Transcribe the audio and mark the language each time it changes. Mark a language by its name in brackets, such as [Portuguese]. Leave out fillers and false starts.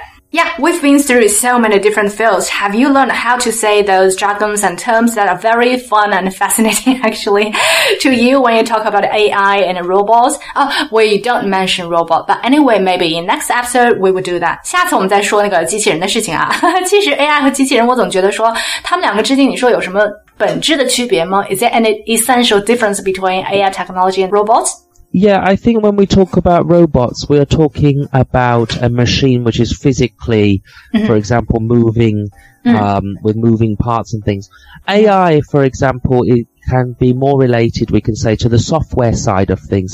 [English] Yeah, we've been through so many different fields. Have you learned how to say those jargons and terms that are very fun and fascinating, actually, to you when you talk about AI and robots? Oh, we don't mention robot, but anyway, maybe in next episode, we will do that. [Chinese] 下次我们再说那个机器人的事情啊。其实 AI 和机器人我总觉得说他们两个之间你说有什么本质的区别吗？ [English] Is there any essential difference between AI technology and robots? Yeah, I think when we talk about robots, we are talking about a machine which is physically, for example, moving, with moving parts and things. AI, for example, it can be more related, we can say, to the software side of things.